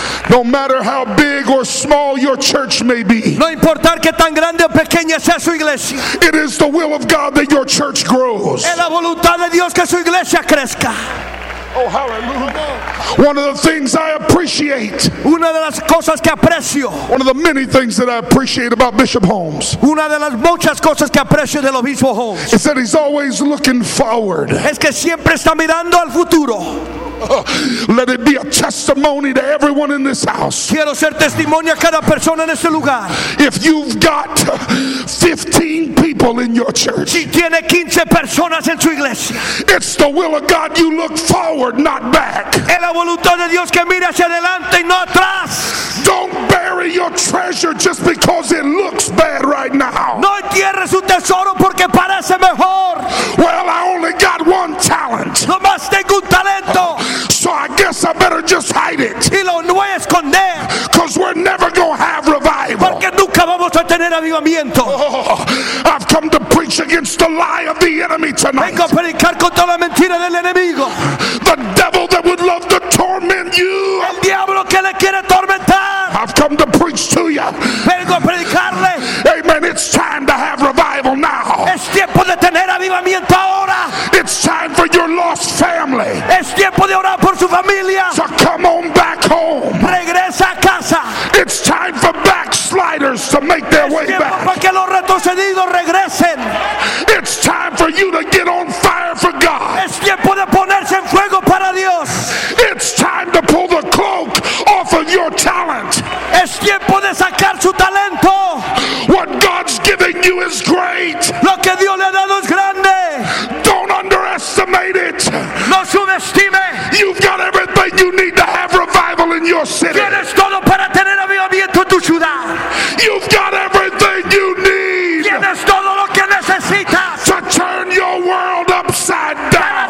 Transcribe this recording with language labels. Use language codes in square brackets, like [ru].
[en] No matter how big or small your church may be. [es] No importar que tan grande o pequeña sea su iglesia. [en] It is the will of God that your church grows. [es] Es la voluntad de Dios que su iglesia crezca. [en] Oh, hallelujah. One of the things I appreciate. [es] Una de las cosas que aprecio. [en] One of the many things that I appreciate about Bishop Holmes. [es] Una de las muchas cosas que aprecio del obispo Holmes. [en] Is that he's always looking forward. [es] Es que siempre está mirando al futuro. [en] Let it be a testimony to everyone in this house. [es] Quiero ser testimonio a cada persona en este lugar. [en] If you've got 15 people in your church, [es] si tiene 15 personas en su iglesia, [en] it's the will of God you look forward, not back. [es] Es la voluntad de Dios que mire hacia adelante y no atrás. [en] Don't bury your treasure just because it looks bad right now. [es] No entierre su tesoro porque parece mejor. [en] Well, I only got one talent. [es] Nomás tengo un talento. [en] So I guess I better just hide it. [es] Y lo voy a esconder. [en] Cause we're never gonna have revival. [es] Porque nunca vamos a tener avivamiento. [en] Oh, I've come to preach against the lie of the enemy tonight. [es] Vengo a predicar contra la mentira del enemigo. [en] The devil that would love to torment. torment you. [es] El diablo que le quiere atormentar. [en] I've come to preach to you. [es] Vengo a predicarle. [en] Amen. It's time to have revival now. [es] Es tiempo de tener avivamiento ahora. [en] It's time for your lost family. [es] Es tiempo de orar por su familia. [en] So come on back home. [es] Regresa a casa. [en] It's time for backsliders to make their way back. [es] Es tiempo para que los retrocedidos regresen. [en] It's time for you to get on fire for God. [es] Es tiempo de ponerse en fuego para Dios. [en] It's time to pull the cloak off of your talent. [es] Es tiempo de sacar su talento. [en] What God's giving you is great. [es] Lo que Dios le ha dado es grande. [en] Don't underestimate it. [es] No subestime. [en] You've got everything you need to have revival in your city. [es] Tienes todo para tener avivamiento en tu ciudad. [en] You've got everything you need. [es] Tienes todo lo que necesitas. [en] To turn your world upside down.